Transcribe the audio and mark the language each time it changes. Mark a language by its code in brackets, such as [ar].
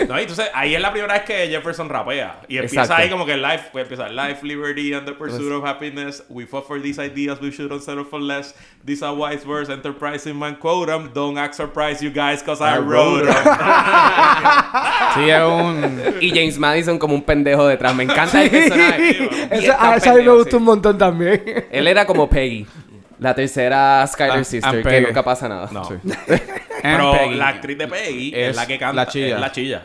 [es] No, y entonces, ahí es la primera vez que Jefferson rapea. Y empieza ahí como que life, puede empezar. [en] Life, liberty, and the pursuit of happiness. We fought for these ideas. We shouldn't settle for less. These are wise words. Enterprise in man, quote them. Don't act surprised, you guys, because I wrote them. [es] Sí, es un... Y James Madison como un pendejo detrás. Me encanta el personaje. Ese, a esa me gustó un montón también. Él era como Peggy. La tercera Skyler sister, que nunca pasa nada. No. Sí. Pero Peggy, la actriz de Peggy es la que canta. La chilla. Es la chilla.